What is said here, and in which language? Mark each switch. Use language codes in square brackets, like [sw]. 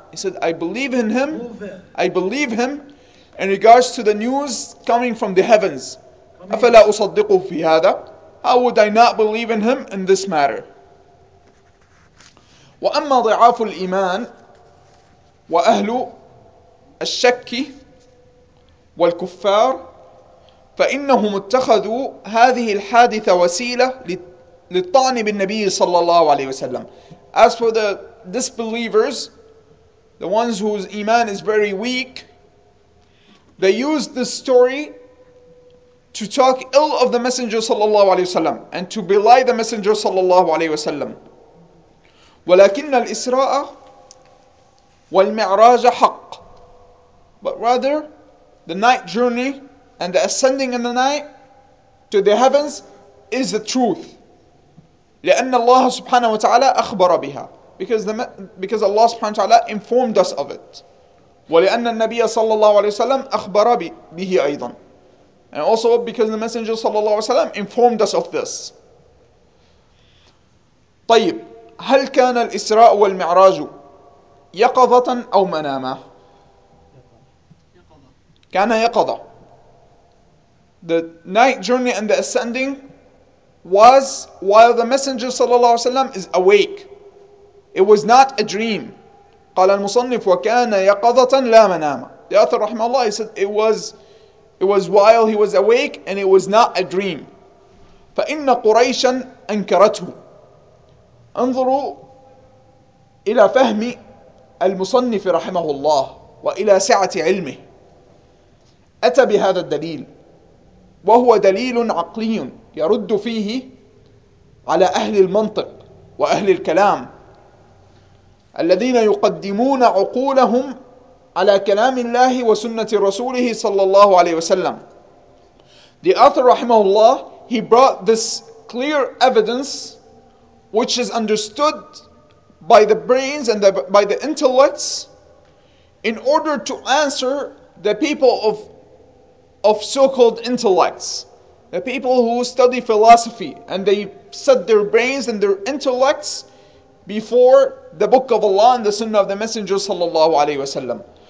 [en] He said, I believe him in regards to the news coming from the heavens. [ar] أَفَلَا أُصَدِّقُهُ فِي هَذَا. [en] How would I not believe in him in this matter? [ar] وأما ضعاف الإيمان وأهل الشك والكفار فإنهم اتخذوا هذه الحادثة وسيلة للطعن بالنبي صلى الله عليه وسلم. [en] As for the disbelievers, the ones whose iman is very weak, they used this story to talk ill of the Messenger صلى الله عليه وسلم and to belie the Messenger صلى الله عليه وسلم. [ar] ولكن الإسراء والمعراج حق. [en] But rather, the night journey and the ascending in the night to the heavens is the truth. [ar] لأن الله سبحانه وتعالى أخبر بها. [en] Because Allah سبحانه وتعالى informed us of it. [ar] ولأن النبي صلى الله عليه وسلم أخبر به أيضا. [en] And also because the Messenger صلى الله عليه وسلم informed us of this. [ar] طيب. هل كان الإسراء والمعراج يقظة أو مناما؟ كان يقظة. [en] The night journey and the ascending was while the Messenger صلى الله عليه وسلم is awake. It was not a dream. [ar] قال المصنف وكان يقظة لا مناما. [en] The author رحمه الله said it was while he was awake and it was not a dream. [ar] فإن قريشا أنكرته. انظروا إلى فهم المصنف رحمه الله وإلى سعة علمه. أتى بهذا الدليل وهو دليل عقلي يرد فيه على أهل المنطق وأهل الكلام الذين يقدمون عقولهم على كلام الله وسنة رسوله صلى الله عليه وسلم. [en] The author رحمه الله, he brought this clear evidence which is understood by the brains and by the intellects in order to answer the people of so-called intellects, the people who study philosophy and they set their brains and their intellects before the Book of Allah and the Sunnah of the Messenger sallallahu alayhi wa sallam.